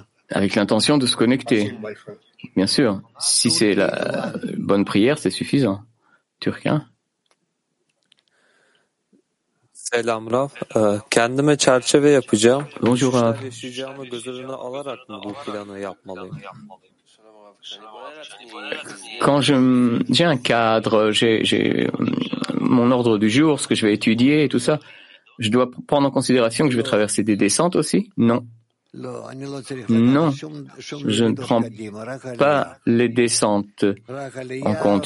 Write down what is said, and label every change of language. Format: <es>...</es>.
<fr>Avec l'intention de se connecter. Bien sûr, si c'est la bonne prière, c'est suffisant. Turquin?</fr> <tr>Selam Rav. Kendime çerçeve yapacağım.</tr> <fr>Bonjour Rav.</fr> <tr>Yaşayacağımı göz önüne alarak mı bu planı yapmalıyım?</tr> <fr>Quand j'ai un cadre, j'ai mon ordre du jour, ce que je vais étudier et tout ça, je dois prendre en considération que je vais traverser des descentes aussi? Non. Non, je ne prends pas les descentes en compte.</fr>